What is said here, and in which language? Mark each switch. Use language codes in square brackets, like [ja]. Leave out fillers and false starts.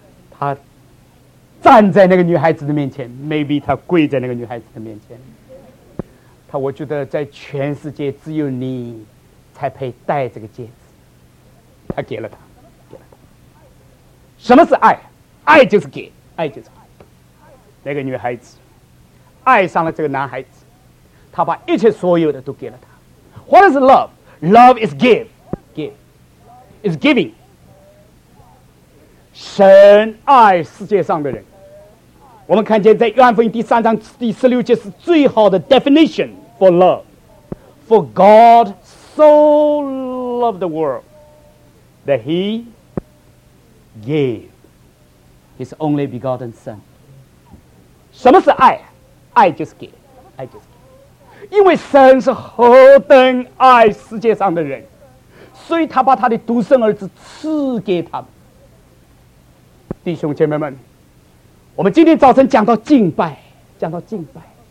[zh] 他站在那个女孩子的面前， maybe 他跪在那个女孩子的面前，他我觉得在全世界只有你才配戴这个戒指，他给了他，给了他。什么是爱？爱就是给，爱就是爱。那个女孩子爱上了这个男孩子，他把一切所有的都给了他。 [en] What is love? Love is give, give is giving。 [zh] 神爱世界上的人，我们看见在约翰福音第三章第十六节是最好的 [en] definition for love。 For God so loved the world that he gave his only begotten son。 [zh] 什么是爱？爱就是给，爱就是给。因为神是何等爱世界上的人，所以他把他的独生儿子赐给他们。弟兄姐妹们，我们今天早晨讲到敬拜，讲到敬拜。